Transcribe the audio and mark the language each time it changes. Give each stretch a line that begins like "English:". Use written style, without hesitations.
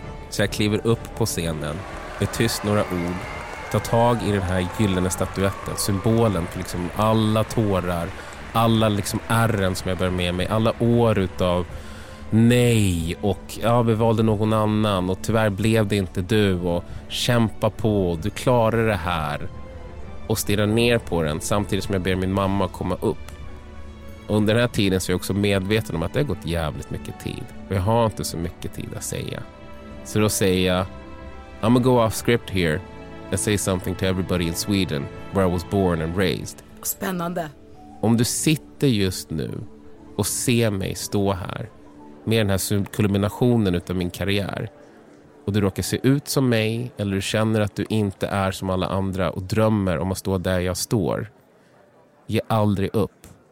Swedish: Så jag kliver upp på scenen med tyst några ord, tar tag i den här gyllene statuetten, symbolen för liksom alla tårar, alla liksom ärren som jag bär med mig, alla år utav nej och ja, vi valde någon annan och tyvärr blev det inte du och kämpa på, du klarar det här, och stirrar ner på den samtidigt som jag ber min mamma komma upp. Under den här tiden så är jag också medveten om att det har gått jävligt mycket tid och jag har inte så mycket tid att säga. Så då säger jag,
English: I'm gonna go off script here and say something to everybody in Sweden where I was born and raised.
Swedish: Spännande. Om du sitter just nu och ser mig stå här med den här kulminationen utav min karriär och du råkar se ut som mig eller du känner att du inte är som alla andra och drömmer om att stå där jag står, ge aldrig upp.